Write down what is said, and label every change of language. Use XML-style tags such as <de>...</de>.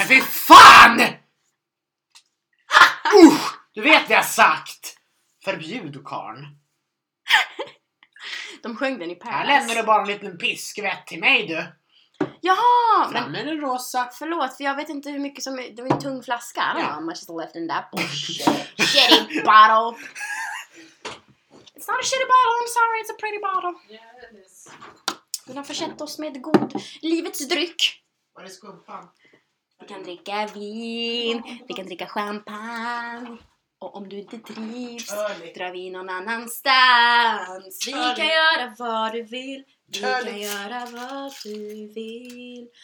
<sv>Men fy fan! Du vet vad jag sagt. Förbjud, karn. De sjöng den i Paris. Här lämnar du bara en liten piskvätt till mig, du. Jaha. Men med den rosa. Förlåt, för jag vet inte hur mycket som är. Det var en tung flaska.</sv> <en>I don't know how much is left in that bullshit. Shitty bottle. It's not a shitty bottle, I'm sorry. It's a pretty bottle. Yeah, it is.</en> <sv>Den har försett oss med god livets dryck. Var är skumpan? Vi kan dricka vin, vi kan dricka champagne. Och om du inte trivs, drar vi någon annanstans. Vi kan göra vad du vill, vi kan göra vad du vill.</sv>